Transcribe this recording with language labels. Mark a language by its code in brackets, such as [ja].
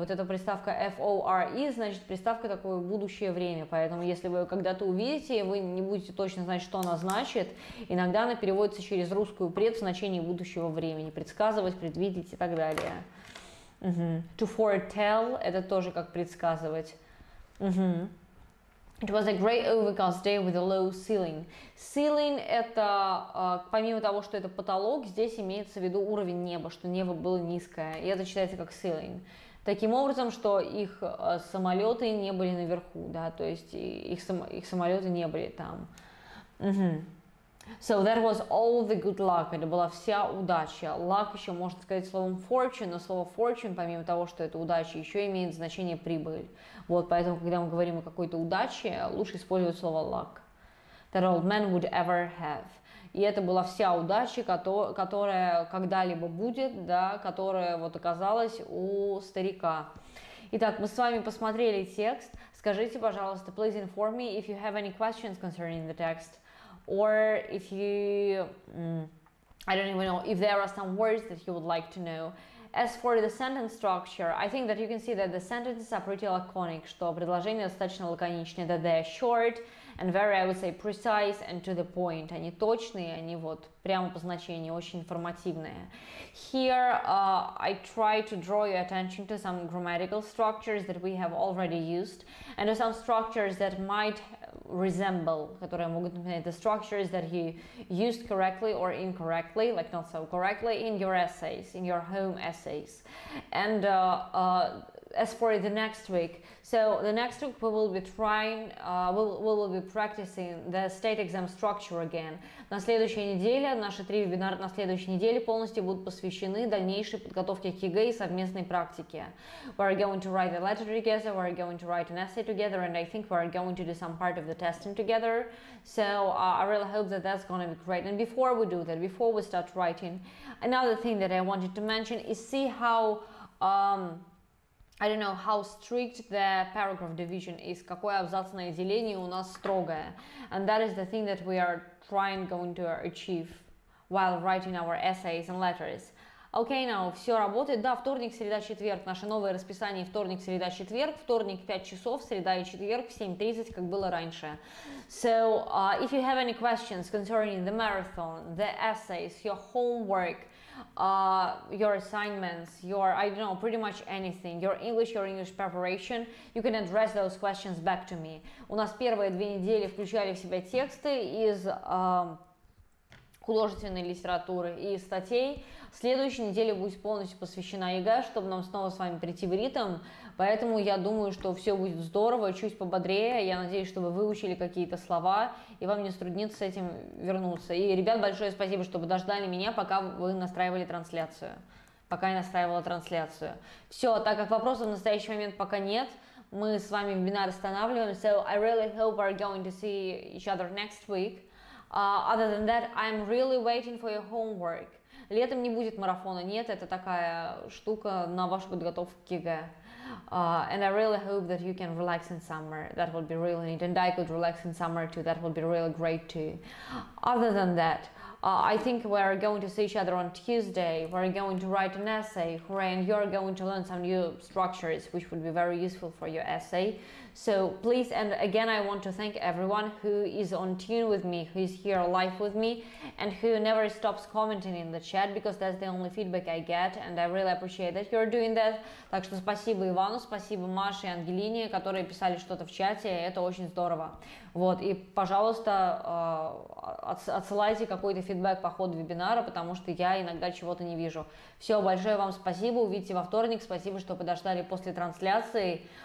[ru] Вот эта приставка F-O-R-E, значит, приставка такое будущее время. Поэтому, если вы когда-то увидите, вы не будете точно знать, что она значит. Иногда она переводится через русскую пред в значении будущего времени. Предсказывать, предвидеть и так далее. To foretell – это тоже как предсказывать. [en] It was a great overcast day with a low ceiling. [ru] Ceiling это, помимо того, что это потолок, здесь имеется в виду уровень неба, что небо было низкое. И это считается как ceiling. Таким образом, что их самолеты не были наверху, да, то есть их самолеты не были там. [en] So that was all the good luck. [ru] Это была вся удача. Luck еще можно сказать словом fortune, но слово fortune, помимо того, что это удача, еще имеет значение прибыль. Вот, поэтому, когда мы говорим о какой-то удаче, лучше использовать слово luck. [en] That old man would ever have. [ru] И это была вся удача, которая когда-либо будет, да, которая вот оказалась у старика. Итак, мы с вами посмотрели текст. Скажите, пожалуйста, [en] please inform me if you have any questions concerning the text. Or if you, I don't even know if there are some words that you would like to know. As for the sentence structure, I think that you can see that the sentences are pretty laconic, [ru] что предложения достаточно лаконичные, [en] that they are short and very, I would say, precise and to the point. Они точные, они вот прямо по значению, очень информативные. Here, I try to draw your attention to some grammatical structures that we have already used and to some structures that might resemble, [ru] которые могут напоминать [en] the structures that you used correctly or incorrectly, like not so correctly, in your essays, in your home essays. And as for the next week, so the next week we will be trying, we will be practicing the state exam structure again. [ru] На следующей неделе, наши три вебинара на следующей неделе полностью будут посвящены дальнейшей подготовке к ЕГЭ и совместной практике. [en] We are going to write a letter together, we are going to write an essay together, and I think we are going to do some part of the testing together. So I really hope that that's going to be great. And before we do that, before we start writing, another thing that I wanted to mention is see how, I don't know how strict the paragraph division is, [ru] какое абзацное деление у нас строгое. [en] And that is the thing that we are trying going to achieve while writing our essays and letters. Okay, now, [ru] все работает. Да, вторник, среда, четверг. Наше новое расписание вторник, среда, четверг. Вторник 5 часов, среда и четверг 7:30, как было раньше. [en] So, if you have any questions concerning the marathon, the essays, your homework, your assignments, your, I don't know, pretty much anything, your English preparation, you can address those questions back to me. [ru] У нас первые две недели включали в себя тексты из художественной литературы и статей. Следующая неделя будет полностью посвящена ЕГЭ, чтобы нам снова с вами прийти в ритм. Поэтому я думаю, что все будет здорово, чуть пободрее. Я надеюсь, что вы выучили какие-то слова, и вам не струднится с этим вернуться. И, ребят, большое спасибо, что подождали меня, пока вы настраивали трансляцию. Пока я настраивала трансляцию. Все, так как вопросов в настоящий момент пока нет, мы с вами вебинар останавливаем. [en] So I really hope we're going to see each other next week. Other than that, I'm really waiting for your homework. [ru] Летом не будет марафона, нет, это такая штука на вашу подготовку к ЕГЭ. [en] And I really hope that you can relax in summer. That would be really neat. And I could relax in summer too. That would be really great too. Other than that, I think we are going to see each other on Tuesday. We are going to write an essay. Hooray, and you are going to learn some new structures, which would be very useful for your essay. So please, and again, I want to thank everyone who is on tune with me, who is here live with me, and who never stops commenting in the chat, because that's the only feedback I get, and I really appreciate that you're doing that. [ru] Так что спасибо Ивану, спасибо Маше и Ангелине, которые писали что-то в чате, это очень здорово. Вот, и пожалуйста, отсылайте какой-то фидбэк по ходу вебинара, потому что я иногда чего-то не вижу. Все, большое вам спасибо, увидите во вторник, спасибо, что подождали после трансляции.